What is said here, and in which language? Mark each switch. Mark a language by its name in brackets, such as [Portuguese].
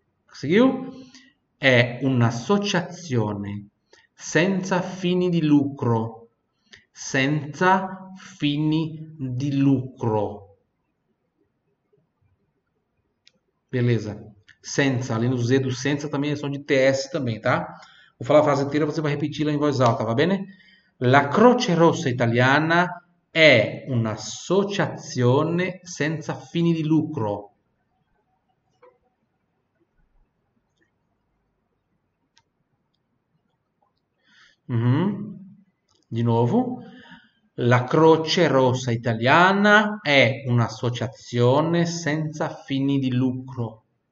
[Portuguese] Seguiu? [Italian] È un'associazione senza fini di lucro, senza fini di lucro. [Portuguese] Beleza. Senza, ali no Z do senza também é som de TS também, tá? Vou falar a frase inteira, você vai repeti-la em voz alta, [Italian] va bene? La Croce Rossa Italiana è un'associazione senza fini di lucro. Di nuovo. La Croce Rossa Italiana è un'associazione senza fini di lucro.